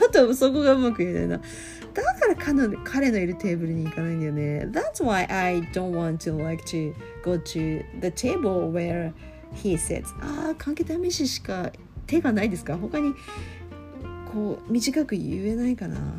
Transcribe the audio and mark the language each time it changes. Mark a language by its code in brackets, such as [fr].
[ja] ちょっとそこがうまく言えないな。だから彼のいるテーブルに行かないんだよね。 [en] That's why I don't want to like to go to the table where he sits. [ja] ああ、関係試ししか手がないですか？他にこう短く言えないかな。